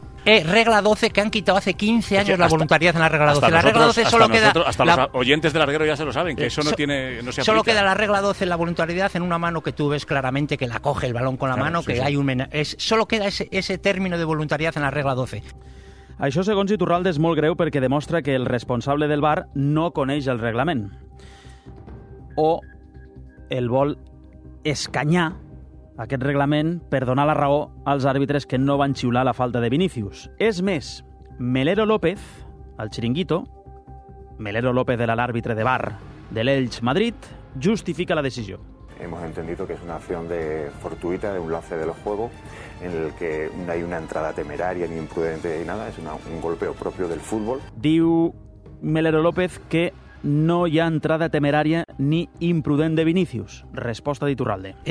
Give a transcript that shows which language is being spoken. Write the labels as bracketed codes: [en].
[es] Regla 12, que han quitado hace 15 años la voluntariedad en la regla 12. Nosotros, la regla 12 solo queda... Hasta los oyentes del larguero ya se lo saben, que eso no se aplica. Solo queda la regla 12 en la voluntariedad en una mano que tú ves claramente que la coge el balón con la mano, hay un... solo queda ese término de voluntariedad en la regla 12. [ca] Això, segons Iturralde, és molt greu perquè demostra que el responsable del VAR no coneix el reglament. O el vol escanyar aquest reglament per donar la raó als àrbitres que no van xiular la falta de Vinicius. És més, Melero López, el Chiringuito, Melero López era l'àrbitre de VAR de l'Elx Madrid, justifica la decisió. [es] Hemos entendido que es una acción de fortuita, de un lance del juego, en el que no hay una entrada temeraria ni imprudente ni nada, es un golpeo propio del fútbol. [ca] Diu Melero López que no hi ha entrada temeraria ni imprudent de Vinicius. Resposta d'Iturralde.